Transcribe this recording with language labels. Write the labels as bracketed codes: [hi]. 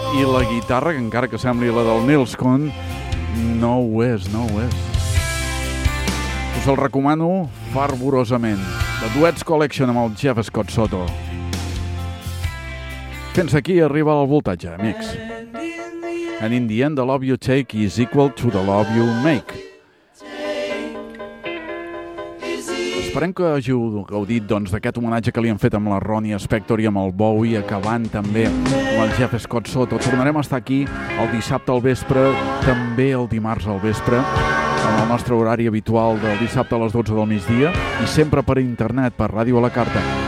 [ca] I la guitarra, que encara que sembli la del Nils Kuhn, no ho és, no ho és. Us el recomano fervorosament. The Duets Collection amb el Jeff Scott Soto. Fins aquí arriba el voltatge, amics. [en] And in the end, the love you take is equal to the love you make. [ca] Esperem que hàgiu gaudit doncs, d'aquest homenatge que li hem fet amb la Ronnie Spector i amb el Bowie, acabant també amb el Jeff Scott Soto. Tornarem a estar aquí el dissabte al vespre, també el dimarts al vespre, amb el nostre horari habitual del dissabte a les 12 del migdia i sempre per internet, per ràdio a la carta.